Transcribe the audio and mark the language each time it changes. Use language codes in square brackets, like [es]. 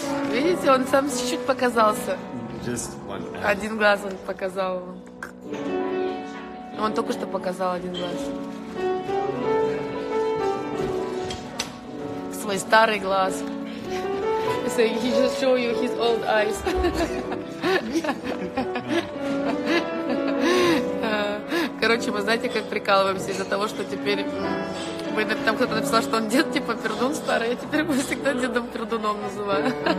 [ru] Видите, он сам чуть-чуть показался. [en] Just one. [ru] Один глаз он показал. Он только что показал один глаз. Свой старый глаз. [en] So he just show you his old eyes. [ru] Короче, мы знаете, как прикалываемся из-за того, что теперь... Там кто-то написал, что он дед, типа, пердун старый. Я теперь его всегда дедом пердуном называю.